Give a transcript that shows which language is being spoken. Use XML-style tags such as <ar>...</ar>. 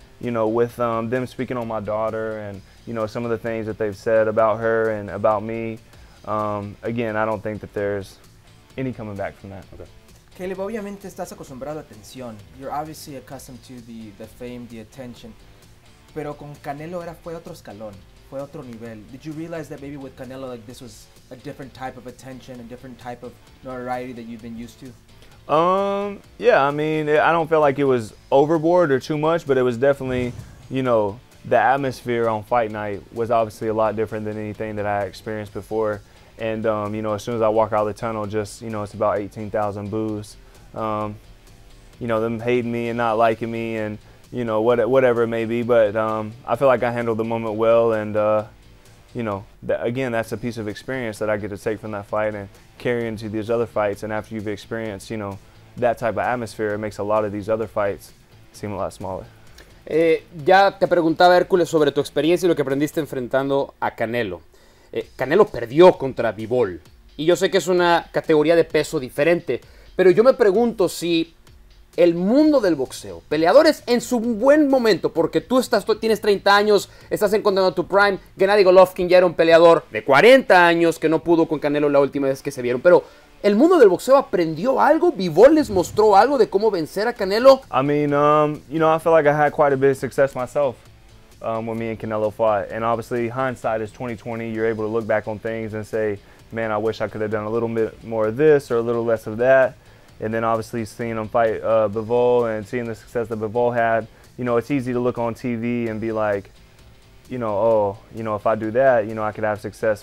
<en>You know, with them speaking on my daughter and, you know, some of the things that they've said about her and about me, again, I don't think that there's any coming back from that. Okay.</en> <es>Caleb, obviamente estás acostumbrado a atención.</es> <en>You're obviously accustomed to the fame, the attention.</en> <es>Pero con Canelo era fue otro escalón, fue otro nivel.</es> <en>Did you realize that maybe with Canelo, like, this was a different type of attention, a different type of notoriety that you've been used to? Yeah, I mean, I don't feel like it was overboard or too much, but it was definitely, you know, the atmosphere on fight night was obviously a lot different than anything that I experienced before. And, you know, as soon as I walk out of the tunnel, just, you know, it's about 18,000 boos. You know, them hating me and not liking me and, you know, whatever it may be. But I feel like I handled the moment well. And, you know, again, that's a piece of experience that I get to take from that fight and carry into these other fights. And after you've experienced, you know, that type of atmosphere, it makes a lot of these other fights seem a lot smaller.</en> <es>Ya te preguntaba, Hércules, sobre tu experiencia y lo que aprendiste enfrentando a Canelo. Canelo perdió contra Bivol, y yo sé que es una categoría de peso diferente, pero yo me pregunto si el mundo del boxeo, peleadores en su buen momento, porque tú estás, tienes 30 años, estás encontrando tu prime, Gennady Golovkin ya era un peleador de 40 años que no pudo con Canelo la última vez que se vieron, pero el mundo del boxeo aprendió algo, Bivol les mostró algo de cómo vencer a Canelo.</es> <en>I mean, you know, I feel like I had quite a bit of success myself. When me and Canelo fought, and obviously hindsight is 20/20, you're able to look back on things and say, man, I wish I could have done a little bit more of this or a little less of that. And then obviously seeing him fight Bivol and seeing the success that Bivol had, you know, it's easy to look on TV and be like, you know, oh, you know, if I do that, you know, I could have success.</en>